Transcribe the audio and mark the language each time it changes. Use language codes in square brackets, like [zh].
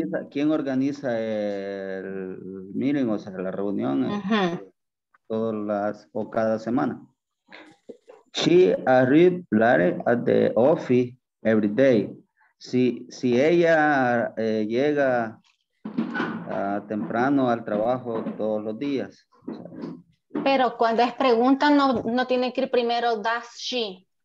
[es] ¿Quién organiza el meeting, o sea, la reunión cada semana? [en] She arrives late at the office every day. [es] Si ella llega temprano al trabajo todos los días. O sea, pero cuando es pregunta, no tiene que ir primero, [en] does she?